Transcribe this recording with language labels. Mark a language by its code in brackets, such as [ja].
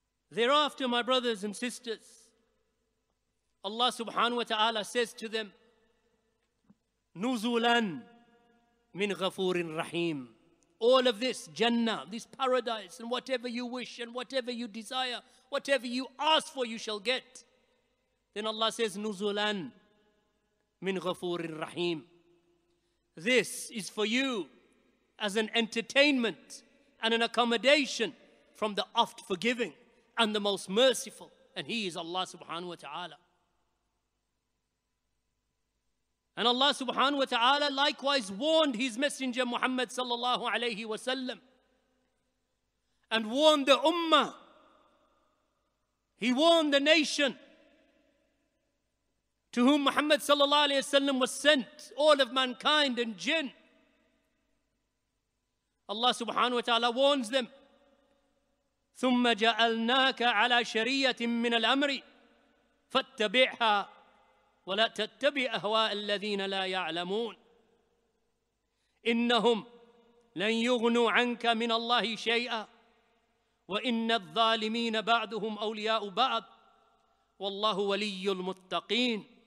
[en] Thereafter, my brothers and sisters, Allah subhanahu wa ta'ala says to them, [ar] نُزُولًا مِنْ غَفُورٍ رَحِيمٍ. [en] All of this, Jannah, this paradise, and whatever you wish, and whatever you desire, whatever you ask for, you shall get. Then Allah says, [ar] نُزُولًا مِنْ غَفُورٍ رَحِيمٍ. [en] This is for you as an entertainment and an accommodation from the oft-forgiving and the most merciful. And He is Allah subhanahu wa ta'ala. And Allah subhanahu wa ta'ala likewise warned His Messenger Muhammad sallallahu alayhi wa sallam, and warned the Ummah. He warned the nation to whom Muhammad sallallahu alayhi wa sallam was sent, all of mankind and jinn. Allah subhanahu wa ta'ala warns them, [ar] ثم جعلناك على شريعة من الأمر فاتبعها ولا تتبع أهواء الذين لا يعلمون إنهم لن يغنوا عنك من الله شيئا وإن الظالمين بعضهم أولياء بعض والله ولي المتقين.